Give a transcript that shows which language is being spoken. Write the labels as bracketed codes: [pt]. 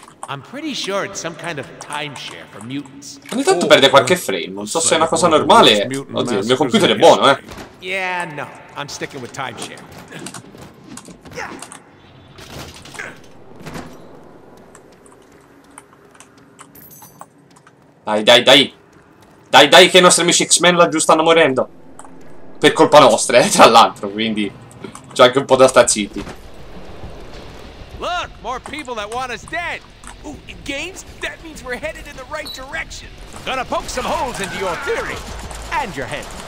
[en] I'm pretty sure it's some kind of timeshare for mutants. [it] Ogni tanto perde qualche frame. Non so se è una cosa normale. Oddio, il mio computer è buono, eh. [en] Yeah, no. I'm sticking with timeshare. [it] Dai, dai, dai. Dai, dai, che i nostri amici X-Men laggiù stanno morendo. Per colpa nostra, tra l'altro, quindi c'è anche un po' da stazziti. [en] Look, more people that want us dead. Ooh, in games? That means we're headed in the right direction. Gonna poke some holes into your theory and your head.